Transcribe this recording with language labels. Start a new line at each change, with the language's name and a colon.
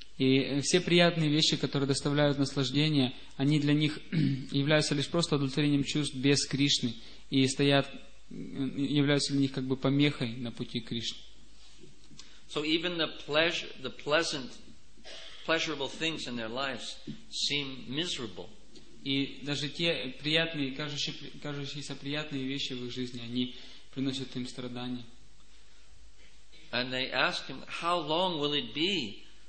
Russian: И все приятные вещи, которые доставляют наслаждение, они для них являются лишь просто удовлетворением чувств без Кришны и стоят, являются для них как бы помехой на пути Кришны.
English: So even the pleasant, pleasurable things in their lives seem miserable.
Russian: И даже те приятные, кажущиеся приятные вещи в их жизни, они приносят им страдания.
English: And they ask him, "How long will it be?